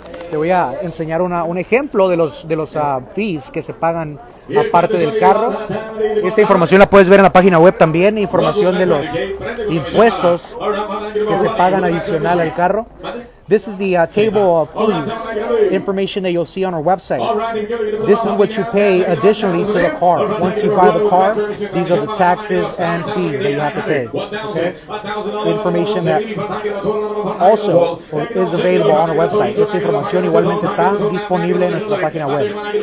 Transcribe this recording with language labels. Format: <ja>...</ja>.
<es>Te voy a enseñar un ejemplo de los fees que se pagan aparte del carro. Esta información la puedes ver en la página web también, información de los impuestos que se pagan adicional al carro.</es> <en>This is the table of fees, information that you'll see on our website. This is what you pay additionally to the car. Once you buy the car, these are the taxes and fees that you have to pay. Okay? Information that also is available on our website.</en> <es>Esta información igualmente está disponible en nuestra página web.</es>